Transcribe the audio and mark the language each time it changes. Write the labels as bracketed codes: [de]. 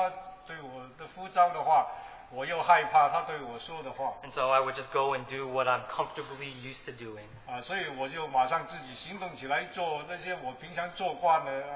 [zh] 我就是怕,我假如向主回应说,主啊,我在这里就静下来等候听他对我的呼召的话。 [en] And so I would just go and do what I'm comfortably used to doing. [zh] 所以我就马上自己行动起来做那些我平常做惯的